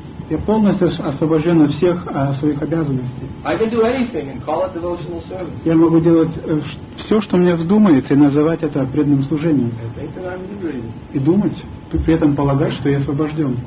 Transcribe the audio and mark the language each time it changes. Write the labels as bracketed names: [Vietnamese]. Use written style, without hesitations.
[Russian] Я полностью освобожден от всех своих обязанностей. [English] I can do anything and call it devotional service. [Russian] Я могу делать все, что мне вздумается, и называть это преданным служением. И думать, при этом полагать, что я освобожден.